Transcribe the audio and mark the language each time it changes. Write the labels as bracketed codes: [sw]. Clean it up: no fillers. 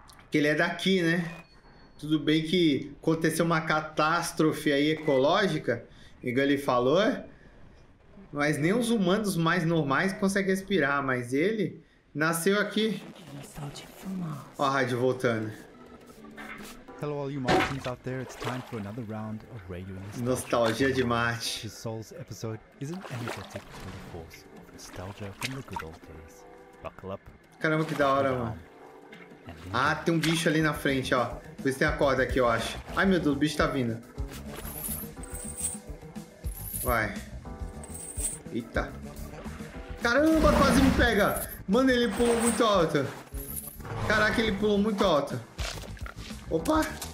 [pt] Que ele é daqui, né? Tudo bem que aconteceu uma catástrofe aí ecológica, igual ele falou, mas nem os humanos mais normais conseguem respirar, mas ele nasceu aqui. Ó a rádio voltando. [en] Hello all you Martians out there, it's time for another round of Radio Nostalgia. [pt] Nostalgia de Marte. [en] This Sol's episode isn't energetic to the force of nostalgia from the good old days. Buckle up. [pt] Caramba, que da hora, mano. Ah, tem um bicho ali na frente, ó. Por isso tem a corda aqui, eu acho. Ai, meu Deus, o bicho tá vindo. Vai. Eita. Caramba, quase me pega. Mano, ele pulou muito alto. Caraca, ele pulou muito alto. Opa!